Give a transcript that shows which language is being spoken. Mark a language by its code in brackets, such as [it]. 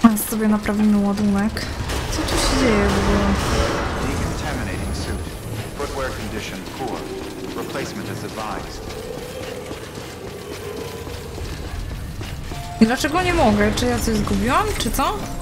[pl] Sobie naprawimy ładunek. Co tu się dzieje w ogóle? [en] Decontaminating suit. Footwear condition poor. Replacement is advised. [pl] Dlaczego nie mogę? Czy ja coś zgubiłam, czy co?